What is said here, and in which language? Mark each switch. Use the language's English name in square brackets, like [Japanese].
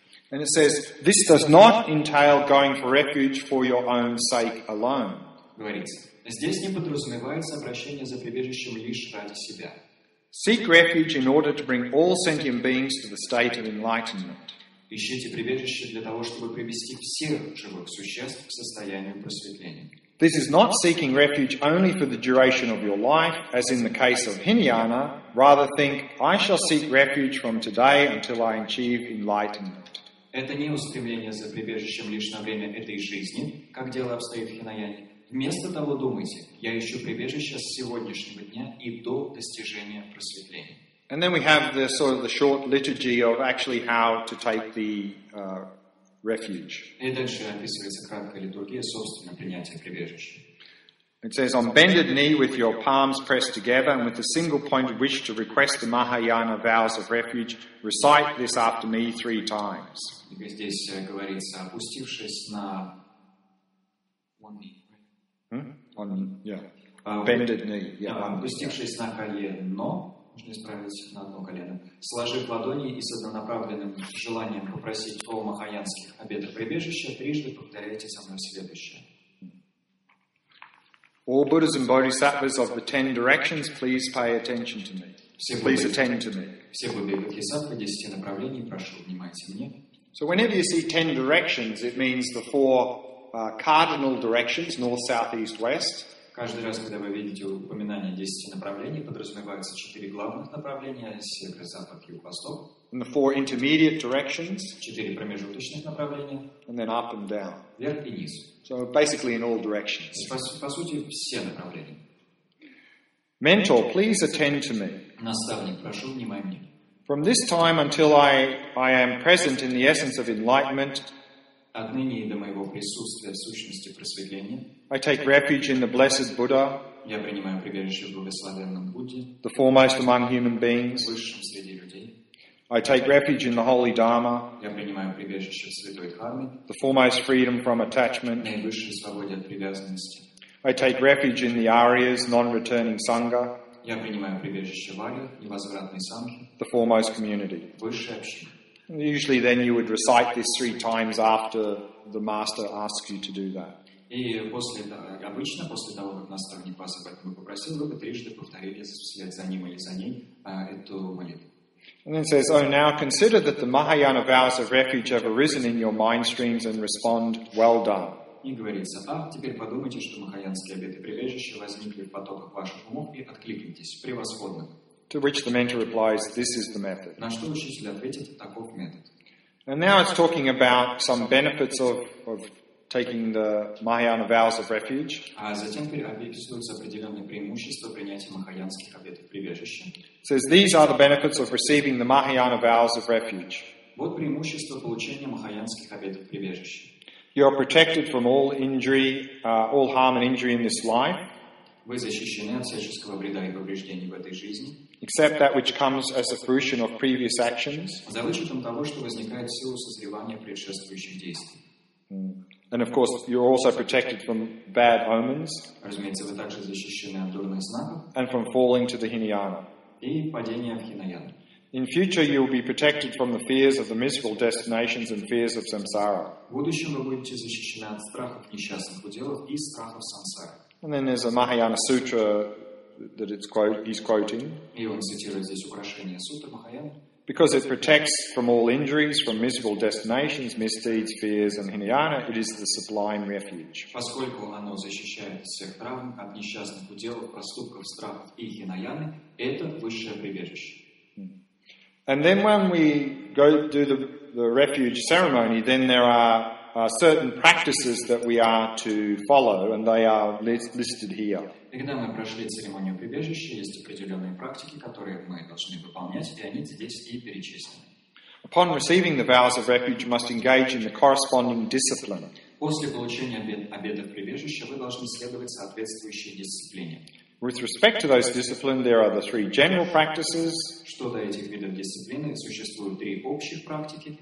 [English] And it says, this does not entail going for refuge for your own sake alone. [Russian] Говорится, здесь не подразумевается обращение за прибежищем лишь ради себя. [English] Seek refuge in order to bring all sentient beings to the state of enlightenment. [Russian] Ищите прибежище для того, чтобы привести всех живых существ к состоянию просветления. [English] This is not seeking refuge only for the duration of your life, as in the case of Hinayana. Rather think, I shall seek refuge from today until I achieve enlightenment. [Russian] Это не устремление за прибежищем лишь на время этой жизни, как дело обстоит в Хинаяне. Вместо того думайте, я ищу прибежище с сегодняшнего дня и до достижения просветления. [English] And then we have the sort of the short liturgy of actually how to take the refuge. [Russian] И дальше описывается краткая литургия собственно принятия прибежища. [English] It says, on bended knee with your palms pressed together and with a single point of wish to request the Mahayana vows of refuge, recite this after me three times. [Russian] Здесь говорится, опустившись на [English] one knee. On, yeah. Bended knee. Yeah, [Russian] опустившись на колено. Можно исправить на одно колено. Сложив ладони и с однонаправленным желанием попросить о махаянских обетах прибежища, трижды повторяйте со мной следующее. [English] All Buddhas and Bodhisattvas of the ten directions, please pay attention to me. Please attend to me. [Russian] Все Будды и Бодхисаттвы десяти направлений, прошу, внимайте мне. [English] So whenever you see ten directions, it means the four cardinal directions, north, south, east, west. [Russian] Каждый раз, когда вы видите упоминание десяти направлений, подразумеваются четыре главных направления, север, запад, юг, восток. [English] And the four intermediate directions. [Russian] Четыре промежуточных направления. [English] And then up and down. [Russian] Вверх и вниз. [English] So basically in all directions. [Russian] По сути, все направления. [English] Mentor, please attend to me. [Russian] Наставник, прошу, внимай мне. [English] From this time until I am present in the essence of enlightenment, [Russian] отныне и до моего присутствия в сущности просветления, [English] I take refuge in the blessed Buddha, [Russian] я принимаю прибежище в благословенном Будде, [English] the foremost among human beings, [Russian] высшем среди людей. [English] I take refuge in the holy Dharma, [Russian] я принимаю прибежище в святой Дхарме, [English] the foremost freedom from attachment, [Russian] наивысшей свободе от привязанности. [English] I take refuge in the Aryas, non-returning Sangha, [Russian] я принимаю прибежище в Арьях, невозвратной Сангхе, [English] the foremost community. [Russian] Высшая община. [English] Usually then you would recite this three times after the master asks you to do that. [Russian] И после обычно после того, как наставник вас об этом попросил, вы бы трижды повторили вслед за ним или за ней эту молитву. [English] And then says, oh, now consider that the Mahayana vows of refuge have arisen in your mind streams and respond, well done. [Russian] И говорится, а теперь подумайте, что махаянские обеты прибежища возникли в потоках ваших умов и откликнитесь, превосходно. [English] To which the mentor replies, this is the method. [Russian] На что учитель ответит, таков метод. [English] And now it's talking about some benefits of taking the Mahayana vows of refuge. [Russian] А затем описываются определенные преимущества принятия махаянских обетов прибежища. [English] Says these are the benefits of receiving the Mahayana vows of refuge. [Russian] Вот преимущества получения махаянских обетов прибежища. [English] You are protected from all injury, all harm and injury in this life. [Russian] Вы защищены от всяческого вреда и повреждений в этой жизни. [English] Except that which comes as a fruition of previous actions. [Russian] За вычетом того, что возникает в силу созревания предшествующих действий. [English] And of course, you're also protected from bad omens. [Russian] Разумеется, вы также защищены от дурных знаков. [English] And from falling to the Hinayana. [Russian] И падения в Хинаяну. [English] In future, you will be protected from the fears of the miserable destinations and fears of samsara. [Russian] В будущем вы будете защищены от страхов несчастных уделов и страхов самсары. [English] And then there's a Mahayana sutra that it's he's quoting. [Russian] И он цитирует здесь украшение сутры Махаяны. [English] Because it protects from all injuries, from miserable destinations, misdeeds, fears, and Hinayana, it is the sublime refuge. [Russian] Поскольку оно защищает всех травм от несчастных уделов, проступков, страхов и Хинаяны, это высшее прибежище. [English] And then when we go do the refuge ceremony, then there are certain practices that we are to follow, and they are listed here. [Russian] Когда мы прошли церемонию прибежища, есть определенные практики, которые мы должны выполнять, и они здесь и перечислены. [English] Upon receiving the vows of refuge, you must engage in the corresponding discipline. [Russian] После получения обетов прибежища вы должны следовать соответствующей дисциплине. [English] With respect to those disciplines, there are the three general practices, [Russian] что до этих видов дисциплины существуют три общих практики,